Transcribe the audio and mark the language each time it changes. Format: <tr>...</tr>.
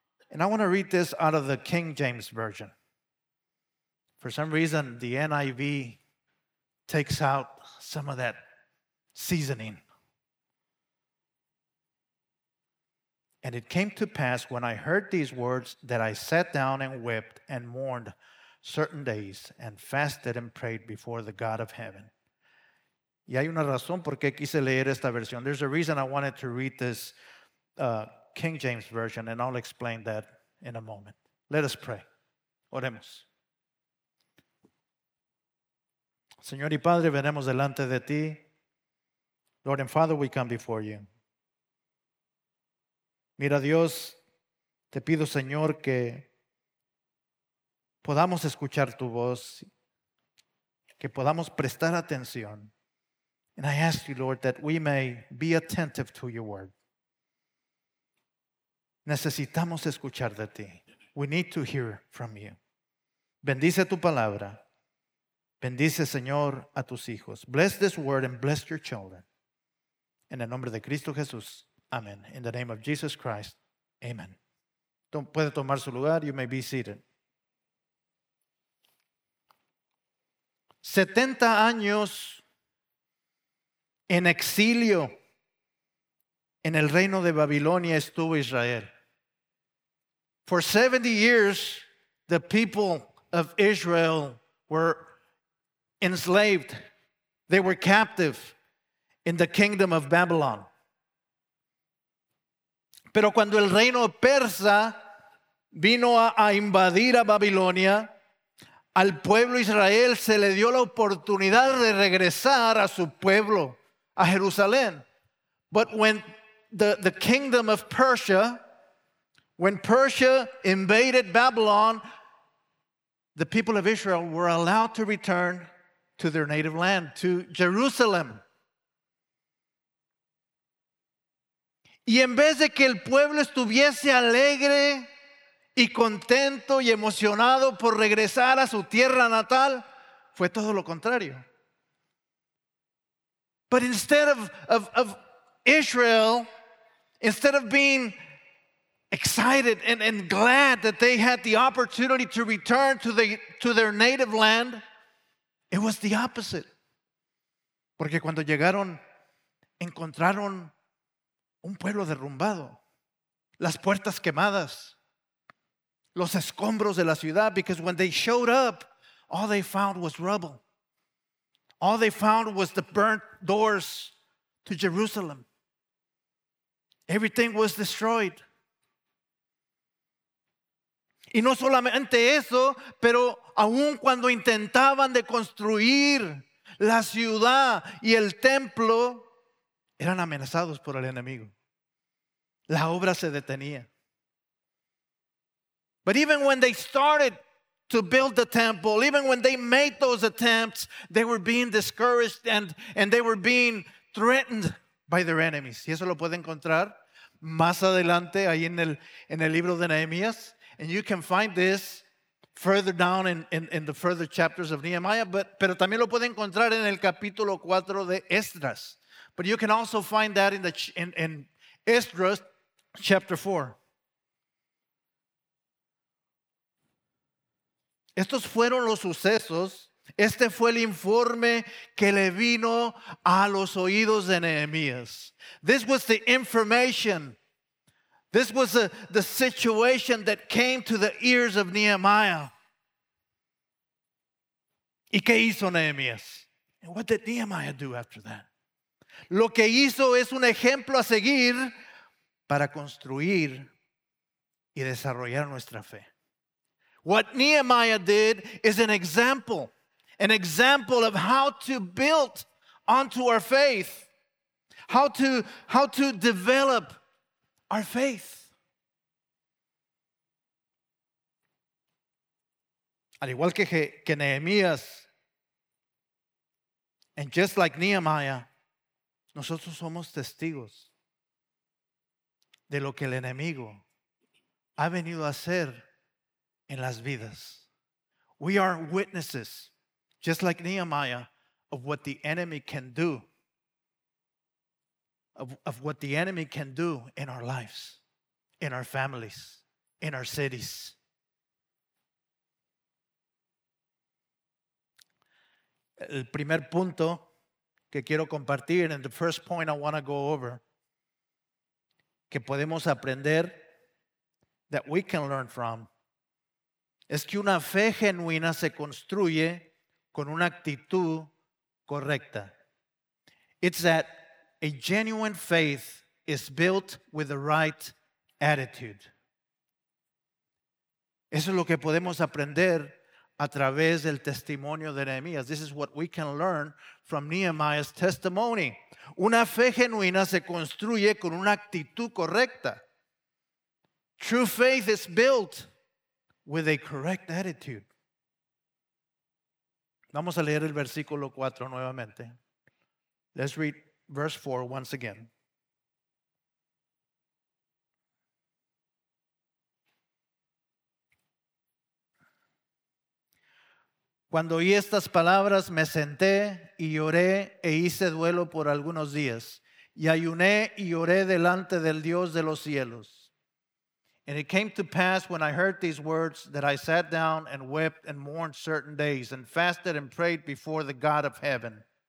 <en>And I want to read this out of the King James Version. For some reason, the NIV takes out some of that seasoning. And it came to pass when I heard these words that I sat down and wept and mourned certain days and fasted and prayed before the God of heaven.</en> <es>Y hay una razón por qué quise leer esta versión.</es> <en>There's a reason I wanted to read this King James Version, and I'll explain that in a moment. Let us pray.</en> <es>Oremos. Señor y Padre, venemos delante de ti.</es> <en>Lord and Father, we come before you.</en> <es>Mira, Dios, te pido, Señor, que podamos escuchar tu voz, que podamos prestar atención.</es> <en>And I ask you, Lord, that we may be attentive to your word.</en> <es>Necesitamos escuchar de ti.</es> <en>We need to hear from you.</en> <es>Bendice tu palabra. Bendice, Señor, a tus hijos.</es> <en>Bless this word and bless your children.</en> <es>En el nombre de Cristo Jesús. Amen.</es> <en>In the name of Jesus Christ.</en> <es>Amen. Puede tomar su lugar.</es> <en>You may be seated.</en> <es>70 años en exilio en el reino de Babilonia estuvo Israel.</es> <en>For 70 years, the people of Israel were enslaved. They were captive in the kingdom of Babylon.</en> <es>Pero cuando el reino persa vino a invadir a Babilonia, al pueblo Israel se le dio la oportunidad de regresar a su pueblo, a Jerusalén.</es> <en>But when the kingdom of Persia, when Persia invaded Babylon, the people of Israel were allowed to return to their native land, to Jerusalem.</en> <es>Y en vez de que el pueblo estuviese alegre y contento y emocionado por regresar a su tierra natal, fue todo lo contrario.</es> <en>But instead of Israel, instead of being excited and glad that they had the opportunity to return to their native land, it was the opposite.</en> <es>Porque cuando llegaron, encontraron un pueblo derrumbado, las puertas quemadas, los escombros de la ciudad,</es> <en>because when they showed up, all they found was rubble. All they found was the burnt doors to Jerusalem. Everything was destroyed.</en> <es>Y no solamente eso, pero aun cuando intentaban de construir la ciudad y el templo, eran amenazados por el enemigo. La obra se detenía.</es> <en>But even when they started to build the temple, even when they made those attempts, they were being discouraged and they were being threatened by their enemies.</en> <es>Y eso lo puede encontrar más adelante ahí en el libro de Nehemías.</es> <en>And you can find this further down in the further chapters of Nehemiah,</en> <es>pero también lo puede encontrar en el capítulo 4 de Esdras.</es> <en>But you can also find that in Esdras, Chapter 4.</en> <es>Estos fueron los sucesos Este fue el informe que le vino a los oídos de Nehemías.</es> <en>This was the information. This was the situation that came to the ears of Nehemiah.</en> <es>¿Y qué hizo Nehemías?</es> <en>What did Nehemiah do after that?</en> <es>Lo que hizo es un ejemplo a seguir para construir y desarrollar nuestra fe.</es> <en>What Nehemiah did is an example of how to build onto our faith, how to develop our faith.</en> <es>Al igual que Nehemías,</es> <en>and just like Nehemiah,</en> <es>nosotros somos testigos de lo que el enemigo ha venido a hacer en las vidas.</es> <en>We are witnesses, just like Nehemiah, of what the enemy can do, of what the enemy can do in our lives, in our families, in our cities.</en> <es>El primer punto que quiero compartir,</es> <en>and the first point I want to go over,</en> <es>que podemos aprender,</es> <en>that we can learn from,</en> <es>es que una fe genuina se construye con una actitud correcta.</es> <en>It's that a genuine faith is built with the right attitude.</en> <es>Eso es lo que podemos aprender a través del testimonio de Nehemías.</es> <en>This is what we can learn from Nehemiah's testimony.</en> <es>Una fe genuina se construye con una actitud correcta.</es> <en>True faith is built with a correct attitude.</en> <es>Vamos a leer el versículo 4 nuevamente.</es> <en>Let's read verse 4 once again.</en> <es>Cuando oí estas palabras, me senté y lloré e hice duelo por algunos días. Y ayuné y lloré delante del Dios de los cielos.</es> <en>And it came to pass when I heard these words that I sat down and wept and mourned certain days and fasted and prayed before the God of heaven.</en>